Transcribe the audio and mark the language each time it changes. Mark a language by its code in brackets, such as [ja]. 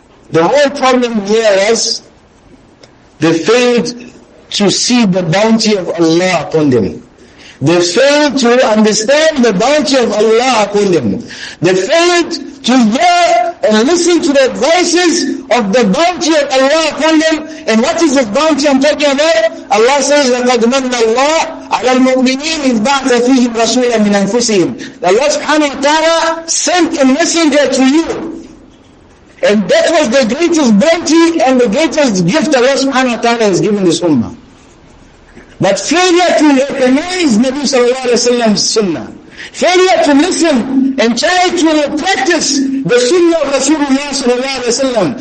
[en] The whole problem here is they failed to see the bounty of Allah upon them. They failed to understand the bounty of Allah upon them. They failed to hear and listen to the voices of the bounty of Allah upon them. And what is this bounty I'm talking about? Allah says, [ar] لَقَدْ مَنَّ اللَّهُ عَلَى الْمُؤْمِنِينَ إِذْ بَعْثَ فِيهِمْ رَسُولًا مِنْ أَنفُسِهِمْ. [en] Allah subhanahu wa ta'ala sent a messenger to you. And that was the greatest bounty and the greatest gift Allah subhanahu wa ta'ala has given this ummah. But failure to recognize Nabi sallallahu alayhi wa sallam's sunnah. Failure to listen and try to practice the sunnah of Rasulullah sallallahu alayhi wa sallam.